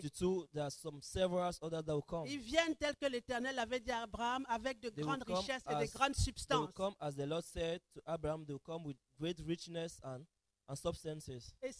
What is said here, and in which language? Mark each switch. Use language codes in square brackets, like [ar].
[en] 52, there are some several others that will come. [fr] Ils viennent tels que l'Éternel avait dit à Abraham, avec de grandes richesses et de grandes substances. [en] They will come as the Lord said to Abraham, they will come with great richness and substances.